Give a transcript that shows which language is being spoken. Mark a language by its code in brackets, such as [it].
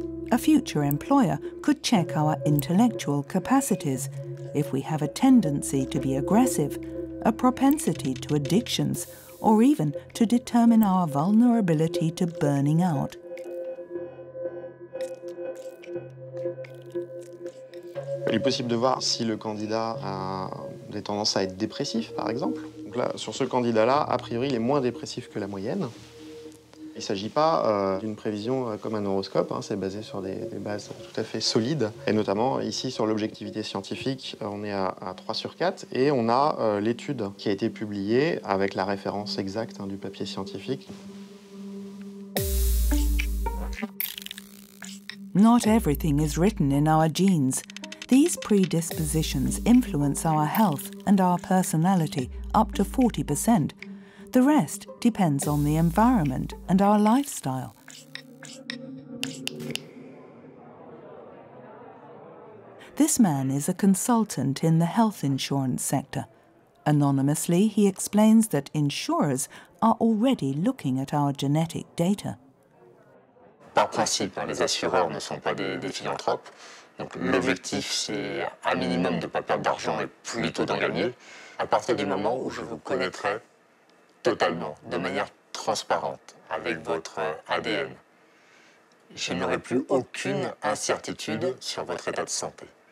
[en] A future employer could check our intellectual capacities if we have a tendency to be aggressive, a propensity to addictions, or even to determine our vulnerability to burning out. [fr] Il est possible de voir si le candidat a des tendances à être dépressif, par exemple. Donc là, sur ce candidat-là, a priori, il est moins dépressif que la moyenne. Il ne s'agit pas d'une prévision comme un horoscope, hein, c'est basé sur des bases tout à fait solides. Et notamment, ici, sur l'objectivité scientifique, on est à 3 sur 4. Et on a l'étude qui a été publiée avec la référence exacte, hein, du papier scientifique. [en] Not everything is written in our genes. These predispositions influence our health and our personality up to 40%. The rest depends on the environment and our lifestyle. This man is a consultant in the health insurance sector. Anonymously, he explains that insurers are already looking at our genetic data. [fr] Par principe, les assureurs ne sont pas des philanthropes. Donc l'objectif, c'est un minimum de ne pas perdre d'argent et plutôt d'en gagner. À partir du moment où je vous connaîtrai totalement, de manière transparente, avec votre ADN, je n'aurai plus aucune incertitude sur votre état de santé.